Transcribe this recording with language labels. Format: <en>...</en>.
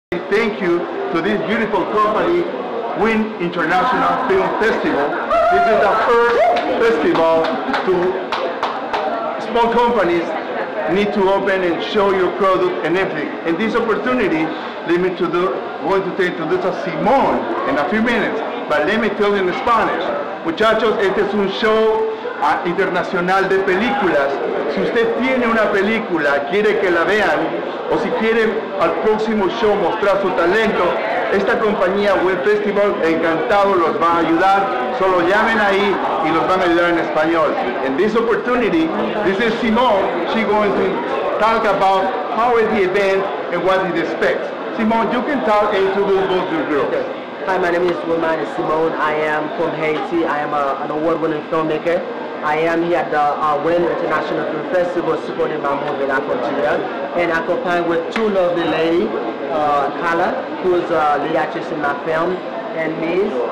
<en>thank you to this beautiful company, Wynn International Film Festival. This is the first festival to small companies need to open and show your product and everything. And this opportunity, let me to do, going to introduce a Simon in a few minutes, but let me tell you in Spanish.</en> <es>Muchachos, este es un show internacional de películas. Si usted tiene una película, quiere que la vean, o si quiere al próximo show mostrar su talento, esta compañía Web Festival, encantado, los va a ayudar. Solo llamen ahí y los van a ayudar en español.</es> <en>In this opportunity, this is Simone. She going to talk about how is the event and what it expects. Simone, you can talk and introduce both your girls. Okay. Hi, my name is Woman Simone. I am from Haiti. I am an award-winning filmmaker. I am here at the Wayne International Film Festival supporting my movie, La Cordillera, and accompanied with two lovely ladies, Kala, who is the lead actress in my film, and Ms.</en>